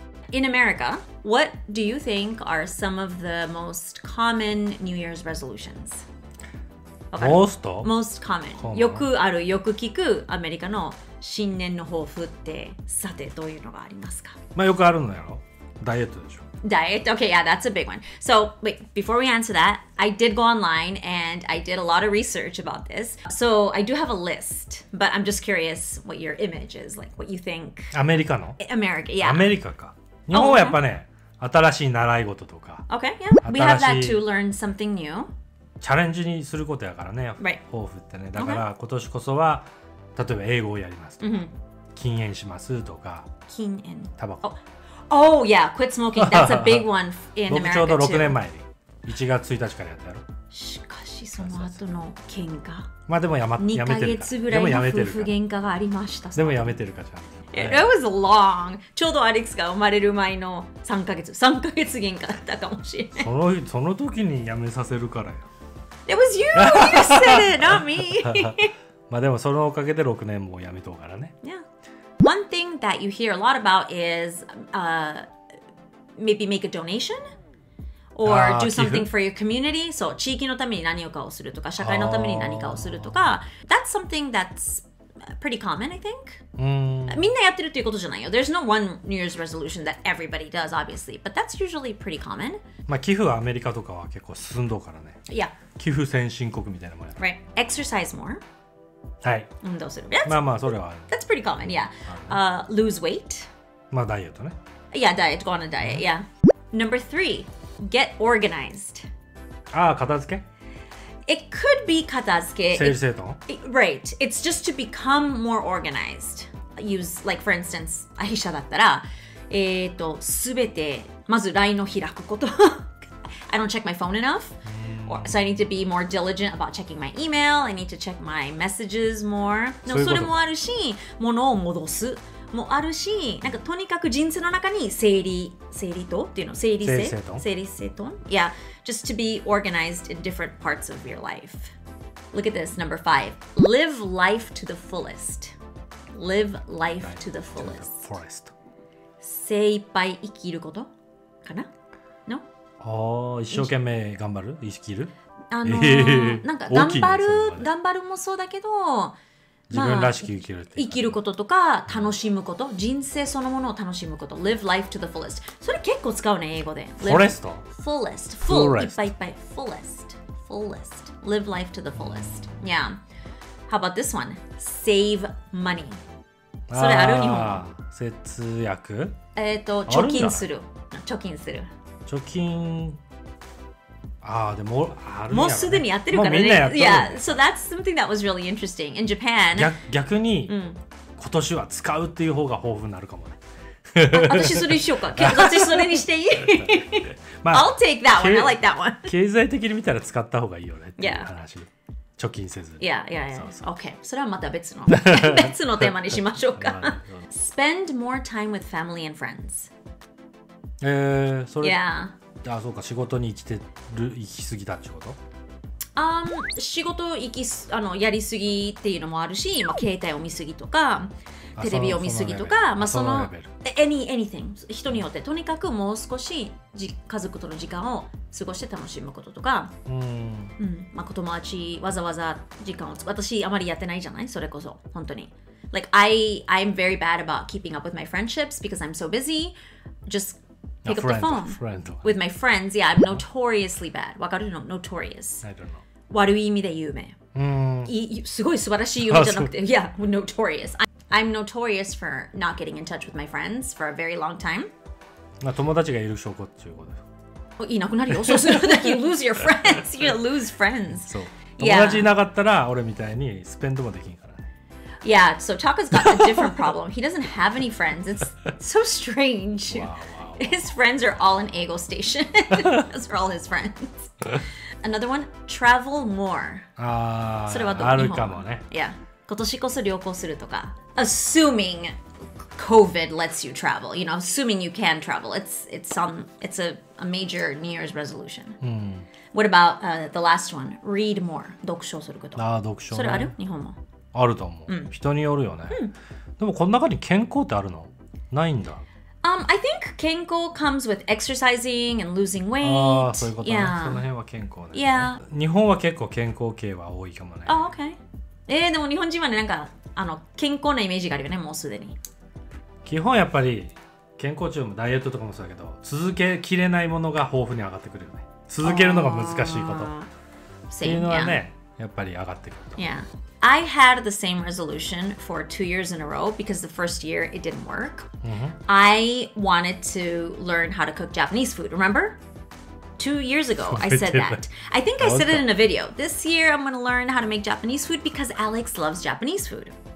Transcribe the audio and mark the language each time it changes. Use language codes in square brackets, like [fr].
[en] うん、In America, what do you think are some of the most common New Year's resolutions? Most common. [ja] よくあるよく聞くアメリカの新年の抱負ってさてどういうのがありますか。まあよくあるのやろ。ダイエットでしょ。 [en] ダイエット。Okay, yeah, that's a big one. So wait, before we answer that, I did go online and I did a lot of research about this. So I do have a list, but I'm just curious what your image is, like what you think. [ja] アメリカの。 [en] America, yeah. [ja] アメリカか。日本はやっぱね、新しい習い事とか。 [en] Okay, yeah. We have that to learn something new. [ja] チャレンジにすることやからね、 [en] right. [ja] 抱負ってね。だから今年こそは、okay. 例えば英語をやりますとか、mm-hmm. 禁煙しますとか、禁煙タバコ、 [en] oh. oh yeah, quit smoking, that's a big one in America too. [ja] ちょうど6年前に1月1日からやったやろ。しかしその後の喧嘩、まあでもやめてるか、2ヶ月ぐらいの夫婦喧嘩がありました。でもやめてるかじゃん。 [en] It was long. [ja] ちょうどアレックスが生まれる前の3ヶ月喧嘩だったかもしれない。その時にやめさせるからや。 [en] It was you! You said it, not me! [ja] まあでもそのおかげで6年もやめとうからね。 [en] Yeah. One thing that you hear a lot about is maybe make a donation or do something for your community. [ja] そう、地域のために何かをするとか、社会のために何かをするとか。 [en] That's something that'sPretty common, I think. [ja] みんなやってるっていうことじゃないよ。 [en] There's no one New Year's resolution that everybody does, obviously. But that's usually pretty common. [ja] まあ寄付はアメリカとかは結構進んどうからね。 [en] Yeah. [ja] 寄付先進国みたいなもんや。 [en] Right. Exercise more. [ja] はい。運動する。まあまあそれは。 [en] That's pretty common, yeah. Lose weight. [ja] まあダイエットね。 [en] Yeah, diet. Go on a diet, yeah. Number three. Get organized. [ja] ああ、片付け。 [en] It could be 片付け。 [ja] 整理整頓? [en] Right. It's just to become more organized. Use, like for instance, [ja] アイシャだったら、すべて、まず LINE を開くこと。 [en] I don't check my phone enough. Or, so I need to be more diligent about checking my email. I need to check my messages more. [ja] そういうこと。それもあるし、物を戻すもあるし、なんかとにかく人生の中に整理とっていうの、整理整頓? [en] Yeah. Just to be organized in different parts of your life. Look at this, number five. Live life to the fullest. Live life to the fullest. To the fullest. [ja] 精一杯生きることかな? [en] No? [ja] ああ、一生懸命頑張る?生きる? なんか頑張るもそうだけど、自分らしく生きるって、まあ、生きることとか楽しむこと、人生そのものを楽しむこと、 [en] live life to the fullest。 [ja] それ結構使うね、英語で。 [en] Fullest? Fullest. Full. Fullest. [ja] いっぱいいっぱい。 [en] Fullest. Fullest. Live life to the fullest. Yeah. How about this one? Save money. [ja] それある日本語。節約？貯金する。貯金する。貯金。ああでもあるね。もうすでにやってるからね。もうみんなやってる。 [en] Yeah, so that's something that was really interesting in Japan. [ja] 逆に、うん、今年は使うっていう方が豊富になるかもね。私それにしようか。私それにしていい。 [en] まあ、I'll take that one. I like that one. [ja] 経済的に見たら使った方がいいよねっていう話。 [en] Yeah. [ja] 貯金せず。 [en] Yeah, yeah, yeah. [ja] そうそう [en] okay. [ja] それはまた別の別のテーマにしましょうか。 [en] Spend more time with family and friends. [ja] それ。 [en] Yeah. [ja] あ、そうか、仕事に行ってる、行き過ぎたってこと？仕事行きす、あの、やりすぎっていうのもあるし、まあ、携帯を見すぎとか、テレビを見すぎとか、まあそのレベル、anything、人によって、とにかくもう少し家族との時間を過ごして楽しむこととか、うん、まあ、友達、わざわざ時間を、私、あまりやってないじゃない？それこそ、本当に。 [en] Like, I'm very bad about keeping up with my friendships because I'm so busy. JustPick up friend, the phone friend. With my friends. Yeah, I'm notoriously bad. [ja] わかるの? [en] Notorious. I don't know. [ja] 悪い意味で有名。うん。すごい素晴らしい有名じゃなくて。 [en] Yeah, notorious. I'm notorious for not getting in touch with my friends for a very long time. [ja] まあ、友達がいる証拠っていうことです。いなくなるよ。そうするだけ [en] you lose your friends. You lose friends. [ja] そう。友達いなかったら、俺みたいにスペンドもできんから。 [en] Yeah, so Taka's got a different problem. He doesn't have any friends. It's so strange. Wow, wow. His friends are all in Eagle Station. Those are all his friends. Another one, travel more. [ja] あるかもね。 [en] Yeah. [ja] 今年こそ旅行するとか。 [en] Assuming COVID lets you travel. You know, assuming you can travel. It's a major New Year's resolution. What about the last one? Read more. [ja] 読書すること。ああ、読書ね。それある？日本も。あると思う。人によるよね。でもこの中に健康ってあるの？ないんだ。 [en] I think 健康 comes with exercising and losing weight. [ja] ああ、そういうことね。Yeah. その辺は健康ね。 [en] Yeah. [ja] 日本は結構健康系は多いかもね。 [en] Oh, okay. [ja] でも日本人はね、なんかあの健康なイメージがあるよね、もうすでに。基本やっぱり健康中もダイエットとかもそうだけど、続けきれないものが豊富に上がってくるよね。続けるのが難しいこと。っていうのはね、やっぱり上がってくると。 [en] Yeah. I had the same resolution for 2 years in a row because the first year it didn't work.、 Mm-hmm. I wanted to learn how to cook Japanese food, remember? 2 years ago, I said that. I think I said it in a video. This year I'm going to learn how to make Japanese food because Alex loves Japanese food.